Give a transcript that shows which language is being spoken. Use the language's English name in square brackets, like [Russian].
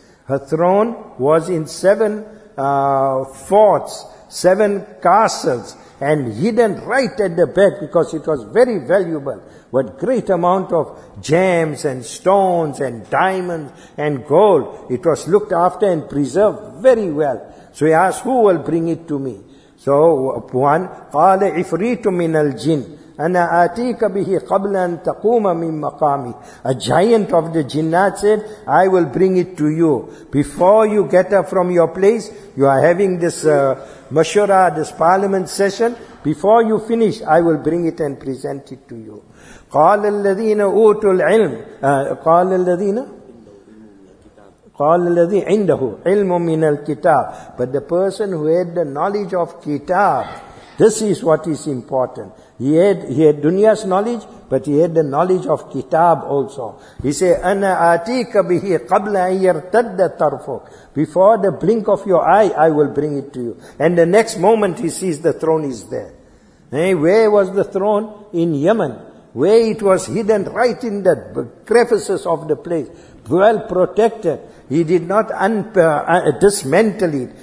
[English] Her throne was in 7 forts, 7 castles, and hidden right at the back because it was very valuable. What great amount of gems and stones and diamonds and gold. It was looked after and preserved very well. So he asked, who will bring it to me? So one, [Arabic] قَالَ عِفْرِيتُ مِنَ الْجِنِ أَنَا آتِيكَ بِهِ قَبْلَ أَن تَقُومَ مِن مَقَامِ. [English] A giant of the jinnat said, I will bring it to you. Before you get up from your place, you are having this mashura, this parliament session. Before you finish, I will bring it and present it to you. [Arabic] قَالَ الَّذِينَ أُوتُوا الْعِلْمِ قَالَ الَّذِينَ قَالَ الَّذِي عِنْدَهُ عِلْمٌ مِّنَ الْكِتَابِ. [English] But the person who had the knowledge of kitab, this is what is important. He had dunya's knowledge, but he had the knowledge of kitab also. He said, [Arabic] أَنَا آتِيكَ بِهِ قَبْلَ أَن يَرْتَدَّ تَرْفُكَ. [English] Before the blink of your eye, I will bring it to you. And the next moment he sees the throne is there. Hey, where was the throne? In Yemen. Where it was hidden right in the crevices of the place. Well protected. He did not dismantle it.